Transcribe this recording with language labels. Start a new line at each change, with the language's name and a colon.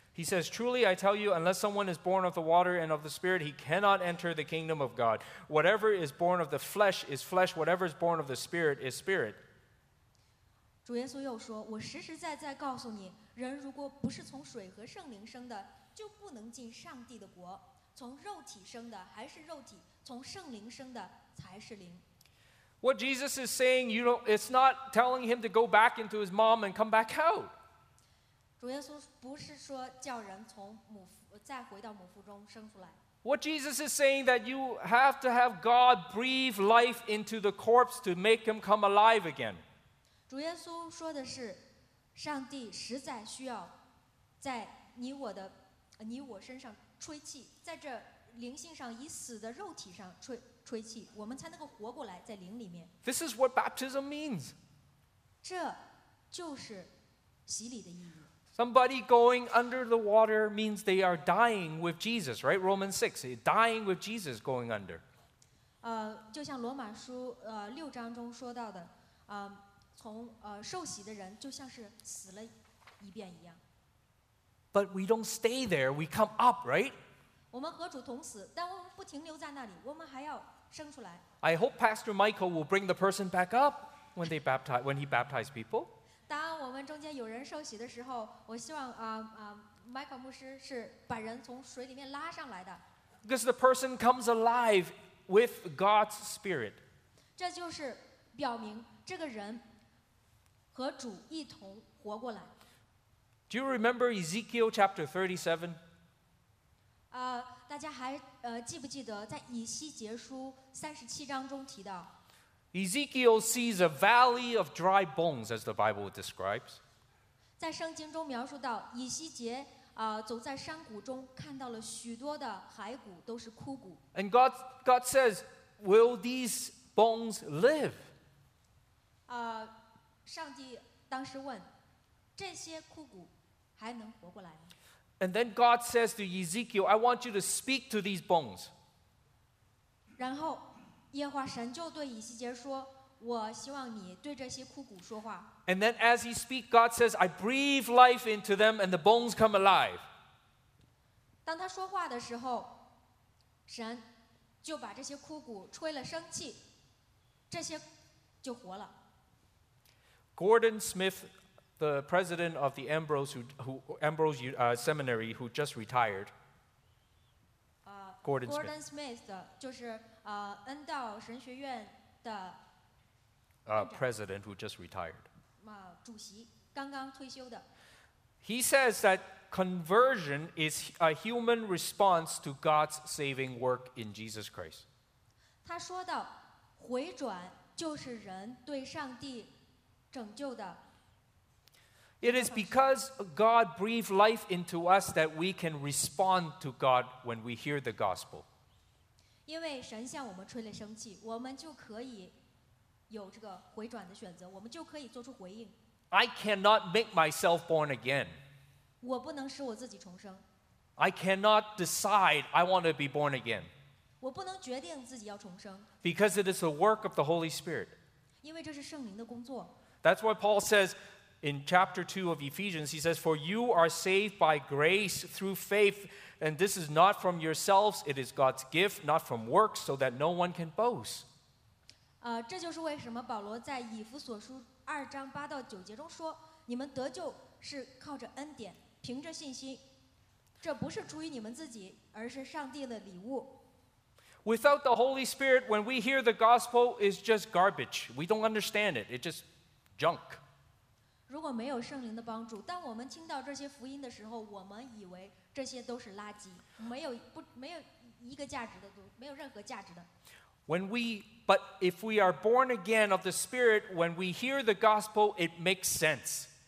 English: He says, truly I tell you, unless someone is born of the water and of the spirit, he cannot enter the kingdom of God. Whatever is born of the flesh is flesh, whatever is born of the spirit is spirit.
Chinese: 主耶稣又说，我实实在在告诉你，人如果不是从水和圣灵生的，就不能进上帝的国。从肉体生的还是肉体，从圣灵生的才是灵。
English: What Jesus is saying, you know, it's not telling him to go back into his mom and come back out.
Chinese: 主耶稣不是说叫人从母腹再回到母腹中生出来。
English: What Jesus is saying that you have to have God breathe life into the corpse to make him come alive again.
Chinese: 主耶稣说的是，上帝实在需要在你我身上吹气，在这灵性上以死的肉体上吹气，我们才能够活过来在灵里面。
English: This is what baptism means.
Chinese: 这就是洗礼的意义。
English: Somebody going under the water means they are dying with Jesus, right? Romans 6, dying with Jesus going under.
Chinese: 就像罗马书六章中说到的，从受洗的人就像是死了一遍一样。
English: But we don't stay there, we come up, right?
Chinese: 我们和主同死，但我们不停留在那里，我们还要生出来。
English: I hope Pastor Michael will bring the person back up when he baptizes people.
Chinese: 当我们中间有人受洗的时候，我希望Michael 牧师是把人从水里面拉上来的。
English: Because the person comes alive with God's Spirit.
Chinese: 这就是表明这个人和主一同活过来。
English: Do you remember Ezekiel chapter 37?
Chinese: 大家还记不记得在以西结书37章中提到
English: Ezekiel sees a valley of dry bones as the Bible describes.
Chinese: 在圣经中描述到以西结走在山谷中看到了许多的骸骨都是枯骨。
English: And God says, will these bones live?
Chinese: 上帝当时问这些枯骨还能活过来吗？
English: And then God says to Ezekiel, I want you to speak to these bones.
Chinese: 然后耶和华神就对以西结说，我希望你对这些枯骨说话。
English: And then as he speaks, God says, I breathe life into them and the bones come alive.
Chinese: 当他说话的时候，神就把这些枯骨吹了生气，这些就活了。
English: Gordon Smith, the president of the Ambrose Seminary, who just retired,
Chinese: Gordon Smith, 就是恩道神学院的
English: president who just retired,
Chinese: 主席刚刚退休的。
English: He says that conversion is a human response to God's saving work in Jesus Christ.
Chinese: 他说到回转就是人对上帝拯救的。
English: It is because God breathed life into us that we can respond to God when we hear the gospel.
Chinese: 因为神向我们吹了生气，我们就可以有这个回转的选择，我们就可以做出回应。
English: I cannot make myself born again.
Chinese: 我不能使我自己重生。
English: I cannot decide I want to be born again.
Chinese: 我不能决定自己要重生。
English: Because it is the work of the Holy Spirit.
Chinese: 因为这是圣灵的工作。
English: That's why Paul says in chapter 2 of Ephesians, he says, For you are saved by grace through faith, and this is not from yourselves, it is God's gift, not from works, so that no one can boast.
Chinese: 这就是为什么保罗在以弗所书二章八到九节中说，你们得救是靠着恩典，凭着信心，这不是出于你们自己，而是上帝的礼物。
English: Without the Holy Spirit, when we hear the gospel, it's just garbage. We don't understand it. It's just junk.
Chinese: 如果没有圣灵的帮助，当我们听到这些福音的时候，我们以为这些都是垃圾，没有一个价值的，没有任何价值的。
English: But if we are born again of the Spirit, when we hear the gospel, it makes sense.